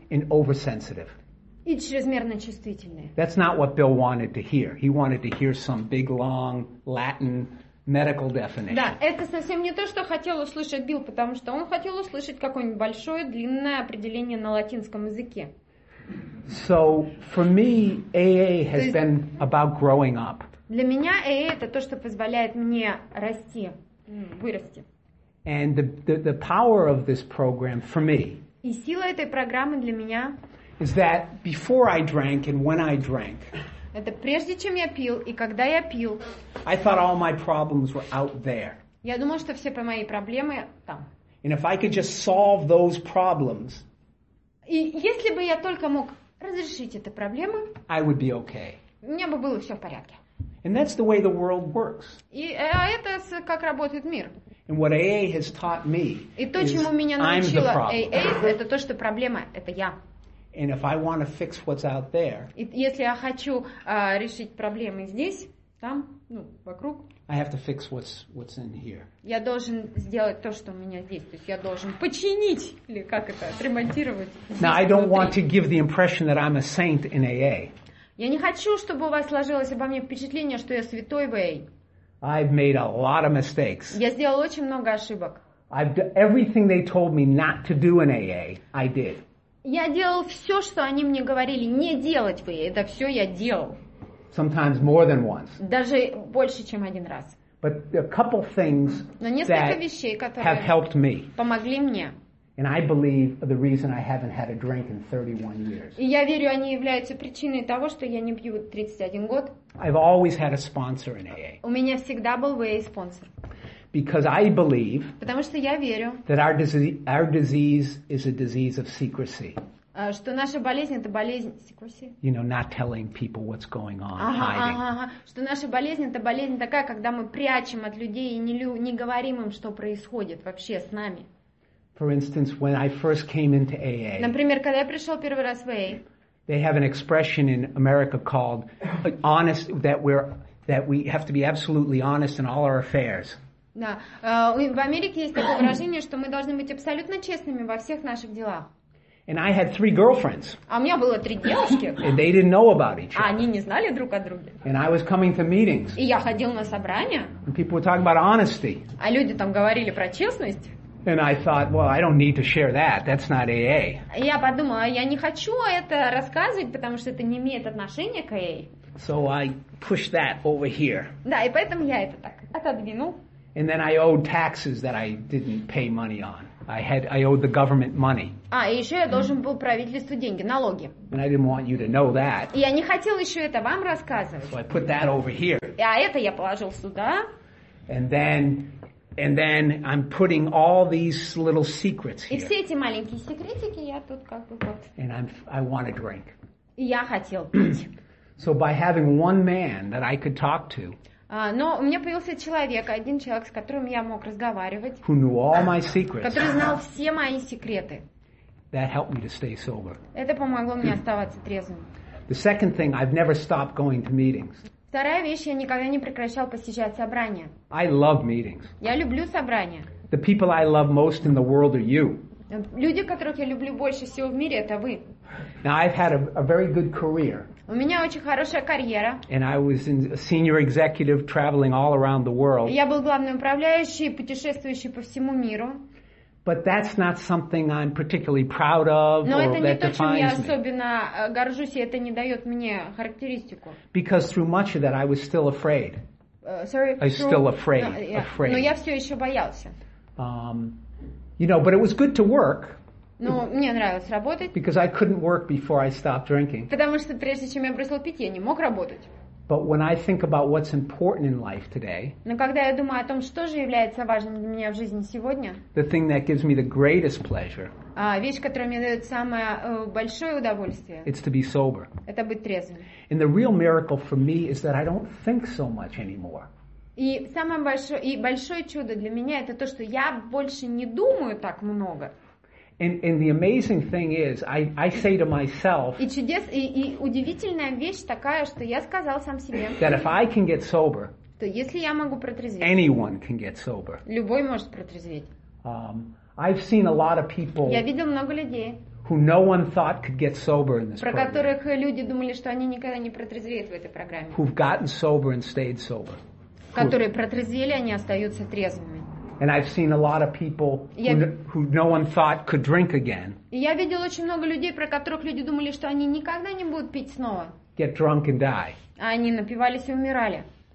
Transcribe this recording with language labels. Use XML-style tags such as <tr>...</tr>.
<en>and oversensitive.</en> <ru>И чрезмерно чувствительные.</ru> <en>That's not what Bill wanted to hear. He wanted to hear some big, long Latin medical definition.</en> <ru>Да, это совсем не то, что хотел услышать Билл, потому что он хотел услышать какое-нибудь большое, длинное определение на латинском языке.</ru> <en>So for me, AA has been about growing up.</en> <ru>Для меня AA это то, что позволяет мне расти, вырасти.</ru> <en>And the power of this program for me.</en> <ru>И сила этой программы для меня.</ru> <en>Is that before I drank and when I drank?</en> <ru>Это прежде чем я пил и когда я пил.</ru> <en>I thought all my problems were out there.</en> <ru>Я думал, что все мои проблемы там.</ru> <en>And if I could just solve those problems.</en> <ru>И если бы я только мог разрешить эту проблему,</ru> <en>I would be okay.</en> <ru>Мне бы было все в порядке.</ru> <en>And that's the way the world works.</en> <ru>И это как работает мир.</ru> <en>And what AA has taught me</en> <ru>и то, чему меня научила AA, это то, что проблема — это я.</ru> <en>And if I want to fix what's out there,</en> <ru>и если я хочу решить проблемы здесь, там, ну, вокруг,</ru> <en>I have to fix what's in here.</en> <ru>Я должен сделать то, что у меня здесь. То есть я должен починить или как это, отремонтировать.</ru> <en>Now</en> <ru>внутри.</ru> <en>I don't want to give the impression that I'm a saint in AA.</en> <ru>Я не хочу, чтобы у вас сложилось обо мне впечатление, что я святой в AA.</ru> <en>I've made a lot of mistakes.</en> <ru>Я сделал очень много ошибок.</ru> <en>Everything they told me not to do in AA, I did.</en> <ru>Я делал все, что они мне говорили не делать в AA. Это все я делал.</ru> <en>Sometimes more than once.</en> <ru>Даже больше, чем один раз.</ru> <en>But a couple things that</en> <ru>вещей,</ru> <en>have helped me.</en> <ru>Помогли мне.</ru> <en>And I believe the reason I haven't had a drink in 31 years.</en> <ru>И я верю, они являются причиной того, что я не пью 31 год.</ru> <en>I've always had a sponsor in AA.</en> <ru>У меня всегда был в AA спонсор.</ru> <en>Because I believe.</en> <ru>Потому что я верю.</ru> <en>That our disease is a disease of secrecy.</en> <ru>Что наша болезнь это болезнь секреси.</ru> <en>You know, not telling people what's going on, hiding.</en> <ru>Что наша болезнь это болезнь такая, когда мы прячем от людей и не говорим им, что происходит вообще с нами.</ru> <en>For instance, when I first came into AA.</en> <ru>Например, когда я пришел первый раз в AA.</ru> <en>They have an expression in America called honest that we have to be absolutely honest in all our affairs.</en> <ru>Да, в Америке есть такое выражение, что мы должны быть абсолютно честными во всех наших делах.</ru> <en>And I had three girlfriends.</en> <ru>А у меня было три девушки.</ru> <en>And they didn't know about each other.</en> <ru>А они не знали друг о друге.</ru> <en>And I was coming to meetings.</en> <ru>И я ходил на собрания.</ru> <en>And people were talking about honesty.</en> <ru>А люди там говорили про честность.</ru> <en>And I thought, well, I don't need to share that. That's not AA.</en> <ru>Я подумала, я не хочу это рассказывать, потому что это не имеет отношения к AA.</ru> <en>So I pushed that over here.</en> <ru>Да, и поэтому я это так отодвинул.</ru> <en>And then I owed taxes that I didn't pay money on. I owed the government money.</en> <ru>А, и еще я должен был правительству деньги, налоги.</ru> <en>And I didn't want you to know that.</en> <ru>И я не хотел еще это вам рассказывать.</ru> <en>So I put that over here.</en> <ru>А это я положил сюда.</ru> <en>And then I'm putting all these little secrets here.</en> <ru>И все эти маленькие секретики я тут как бы вот.</ru> <en>And I want a drink.</en> <ru>И я хотел пить.</ru> <en>So by having one man that I could talk to.</en> <ru>Но у меня появился человек, один человек, с которым я мог разговаривать.</ru> <en>Who knew all my secrets.</en> <ru>Который знал все мои секреты.</ru> <en>That helped me to stay sober.</en> <ru>Это помогло мне оставаться трезвым.</ru> <en>The second thing, I've never stopped going to meetings.</en> <ru>Вторая вещь, я никогда не прекращал посещать собрания.</ru> <en>I love meetings.</en> <ru>Я люблю собрания.</ru> <en>The people I love most in the world are you.</en> <ru>Люди, которых я люблю больше всего в мире, это вы.</ru> <en>Now I've had a very good career.</en> <ru>У меня очень хорошая карьера.</ru> <en>And I was a senior executive traveling all around the world.</en> <ru>Я был главным управляющим, путешествующим по всему миру.</ru> <en>But that's not something I'm particularly proud of that defines me.</en> <ru>Но это не то, чем я особенно горжусь, и это не дает мне характеристику.</ru> <en>Because through much of that I was still afraid.</en> <ru>Но я все еще боялся.</ru> <en>You know, but it was good to work.</en> <ru>Но мне нравилось работать.</ru> <en>Because I couldn't work before I stopped drinking.</en> <ru>Потому что прежде чем я бросил пить, я не мог работать.</ru> <en>But when I think about what's important in life today,</en> <ru>но когда я думаю о том, что же является важным для меня в жизни сегодня,</ru> <en>the thing that gives me the greatest pleasure,</en> <ru>вещь, которая мне дает самое большое удовольствие,</ru> <en>it's to be sober.</en> <ru>Это быть трезвым.</ru> <en>And the real miracle for me is that I don't think so much anymore.</en> <ru>И самое большое чудо для меня это то, что я больше не думаю так много.</ru> <en>And the amazing thing is, I say to myself.</en> <ru>И удивительная вещь такая, что я сказал сам себе.</ru> <en>That if I can get sober.</en> <ru>то если я могу протрезветь,</ru> <en>anyone can get sober.</en> <ru>Любой может протрезветь.</ru> <en>I've seen a lot of people.</en> <ru>Я видел много людей.</ru> <en>Who no one thought could get sober in this</en> <ru>Про которых люди думали, что они никогда не протрезвеют в этой программе.</ru> <en>Who've gotten sober and stayed sober.</en> <ru>Которые протрезвели, они остаются трезвыми.</ru> <en>And I've seen a lot of people who no one thought could drink again.</en> <ru>Я видел очень много людей, про которых люди думали, что они никогда не будут пить снова.</ru> <en>Get drunk and die.</en> <ru>А они напивались и умирали.</ru>